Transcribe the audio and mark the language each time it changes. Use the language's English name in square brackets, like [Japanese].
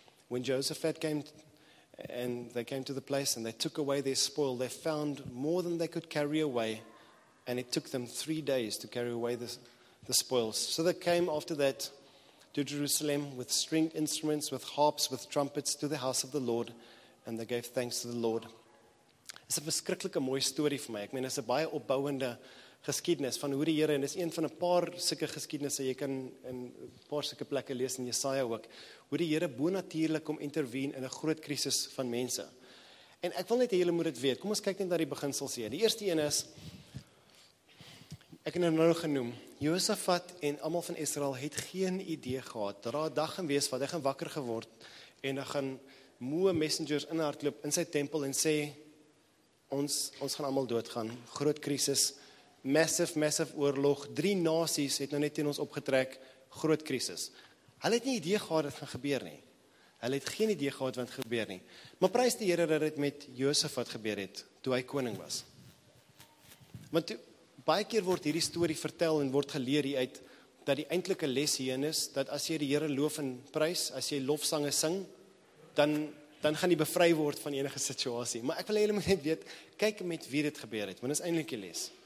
[English] When Jehoshaphat came and they came to the place and they took away their spoil, they found more than they could carry away, and it took them 3 days to carry away the spoils. So they came after that to Jerusalem with stringed instruments, with harps, with trumpets to the house of the Lord, and they gave thanks to the Lord. It's a [Afrikaans] verskriklike mooi story [English] for me. I mean, it's a [Afrikaans] baie opbouwende geskiedenis van hoe die Here, en is een van 'n paar sulke geskiedenisse jy kan in 'n paar sulke plekke lees in Jesaja ook, hoe die Here bonatuurlik kom intervene in 'n groot krisis van mense. En ek wil net hê julle moet dit weet. Kom ons kyk net na die beginsels hier. Die eerste een is, ek het nou genoem, Jehoshaphat en almal van Israel het geen idee gehad dat daar 'n dag gaan wees wat hy gaan wakker geword en dan gaan moe messengers inhardloop in sy tempel en sê, ons gaan almal doodgaan. Groot krisis. Massive oorlog, 3 nasies het nou net teen ons opgetrek, groot krisis. Hulle het nie idee gehad wat gaan gebeur nie. Hulle het geen idee gehad wat gebeur nie. Maar prys die Here dat dit met Jehoshaphat gebeur het, toe hy koning was. Want baie keer word hierdie story vertel en word geleer uit dat die eintlike les hierin is, dat as jy die Here loof en prys, as jy lofsange sing, dan gaan jy bevry word van enige situasie. Maar ek wil hê julle moet net weet, kyk met wie dit gebeur het, want dit is eintlik die les.